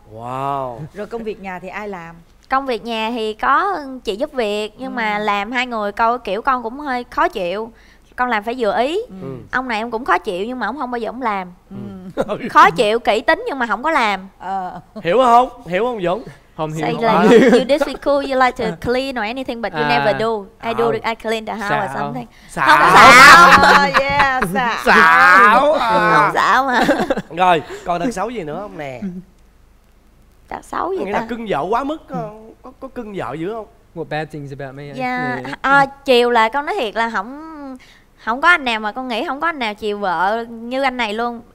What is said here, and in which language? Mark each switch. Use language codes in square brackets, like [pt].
[en] Wow. [vi] Rồi công việc nhà thì ai làm? Công việc nhà thì có chị giúp việc. Nhưng mà làm hai người câu kiểu con cũng hơi khó chịu. Con làm phải vừa ý. Ông này em cũng khó chịu nhưng mà ông không bao giờ ông làm. Khó chịu, kỹ tính nhưng mà không có làm. Hiểu không? Hiểu không Dũng? Không hiểu. [en] Say like, you disagree cool, you like to clean or anything but you never do. I do, I clean the house or something. [vi] Xạo. Không xạo. [en] Yeah, [vi] xạo. Không xạo mà. Rồi, còn đợt xấu gì nữa không nè? Đợt xấu gì ta? Nghĩa là cưng vợ quá mức, có cưng vợ dữ không? [en] What bad things about me? Yeah. [vi] Chiều là con nói thiệt là không có anh nào mà con nghĩ không có anh nào chiều vợ như anh này luôn.